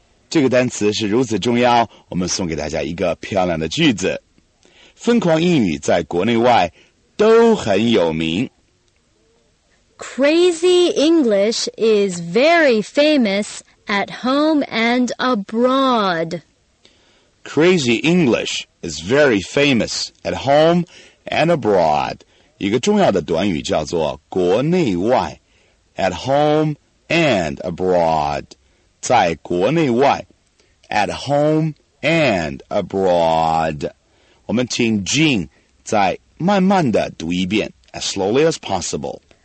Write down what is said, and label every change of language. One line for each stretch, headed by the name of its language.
Chinese: 这个单词是如此重要，我们送给大家一个漂亮的句子。疯狂英语在国内外都很有名。
English: Crazy English is very famous at home and abroad. Crazy English is very famous at home and abroad.
Chinese: 一个重要的短语叫做国内外
English: at home and abroad.
Chinese: 在国内外
English: at home and abroad.
Chinese: 我们请 Jean 再慢慢地读一遍
English: as slowly as possible.